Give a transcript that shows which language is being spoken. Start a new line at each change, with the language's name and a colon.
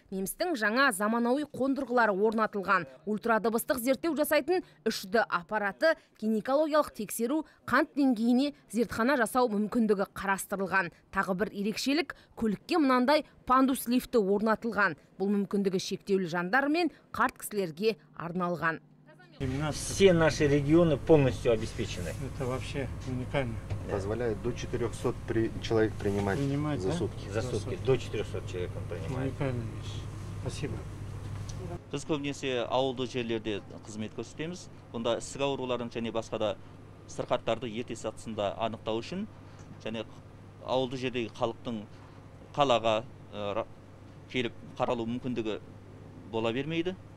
Kazakh: Немістің жаңа заманауи қондырғылары орнатылған. Ультрадыбыстық зерттеу жасайтын 3D аппараты, гинекологиялық тексеру, қант деңгейіне зертхана жасау мүмкіндігі қарастырылған. Тағы бір ерекшелік, көлікке мынандай пандус лифті орнатылған. Бұл мүмкіндігі шектеулі жандар мен қарт кісілерге арналған.
Russian: Все наши регионы полностью обеспечены. Это вообще уникально. Позволяет до 400 человек принимать за сутки. За сутки до 400 человек он принимает. Уникальная вещь. Спасибо.
Kazakh: Біз көбінесе ауылды жерлерде қызмет көрсетеміз. Бұнда ісік ауруларын және басқа да сырқаттарды ерте сатысында анықтау үшін және ауылды жердегі халықтың қалаға келіп қаралу мүмкіндігі бола бермейді.